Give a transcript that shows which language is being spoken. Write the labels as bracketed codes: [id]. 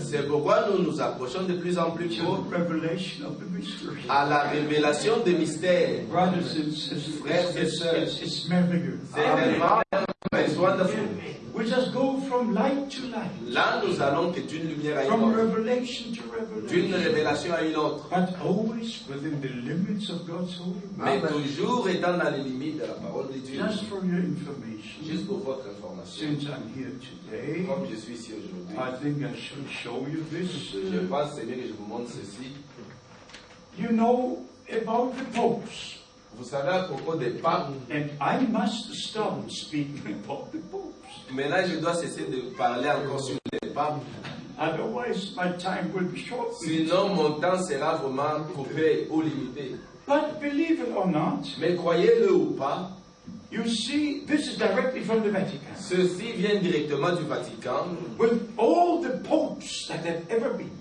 [fr] C'est pourquoi nous nous approchons de plus en plus tôt [en] revelation of the mystery. [fr] À la révélation des mystères. [en] Brothers and sisters, it's marvelous. [fr] C'est merveilleux. [en] It's wonderful. We just go from light to light. [fr] Là, nous allons que d'une lumière à une [en] from [fr] autre. [en] Revelation to revelation. [fr] D'une révélation à une autre. [en] But always within the limits of God's holy word. [fr] Mais toujours étant dans les limites de la parole de Dieu. [en] Just for your information. [fr] Juste pour votre information. [en] Since I'm here today. [fr] Comme je suis ici aujourd'hui. [en] I think I should show you this. [fr] Je pense que c'est mieux que je vous montre ceci. [en] You know about the popes. [fr] Vous savez à propos des papes. [en] And I must stop speaking about the popes. [fr] Mais là, je dois cesser de parler encore sur les papes. [en] Otherwise, my time will be short. [fr] Sinon, mon temps sera vraiment coupé ou limité. [en] But believe it or not. [fr] Mais croyez-le ou pas. [en] You see, this is directly from the Vatican. [fr] Ceci vient directement du Vatican. [en] With all the popes that have ever been.